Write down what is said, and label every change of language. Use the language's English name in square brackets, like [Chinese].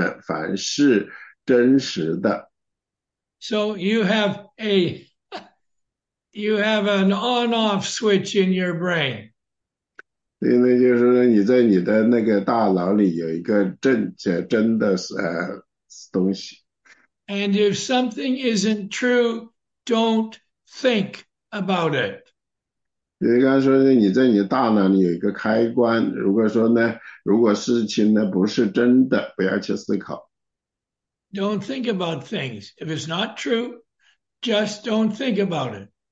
[Chinese] 所以呢，我要从第八节开始读。最后，弟兄们，凡事真实的。 [English] So you have an on-off switch in your brain. [Chinese] 所以呢，就是说你在你的那个大脑里有一个真的东西。 [English] And if something isn't true, don't think about it. [Chinese] 你刚刚说的，你在你大脑里有一个开关。如果说呢，如果事情呢不是真的，不要去思考。 [English] Don't think about things. If it's not true, just don't think about it.